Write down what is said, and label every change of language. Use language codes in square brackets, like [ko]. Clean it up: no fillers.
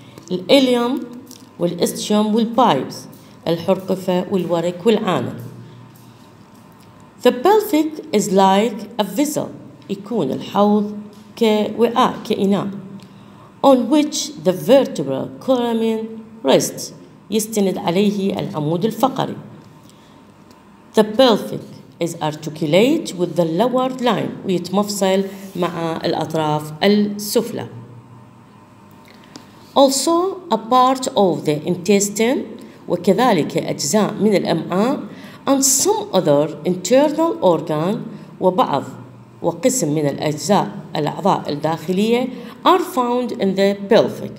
[ar] الإليوم والإستيوم والبايبس، الحرقفة والورك والعانق. [en] The pelvic is like a vessel. [ar] يكون الحوض كوعاء كإناء. [en] On which the vertebral column rests. [ar] يستند عليه العمود الفقري. [en] The pelvic is articulate with the lower line. [ar] ويتمفصل مع الأطراف السفلى. [en] Also a part of the intestine. [ar] وكذلك أجزاء من الأمعاء. [en] And some other internal organ. [ar] وبعض وقسم من الأجزاء الأعضاء الداخلية [en] are found in the pelvic.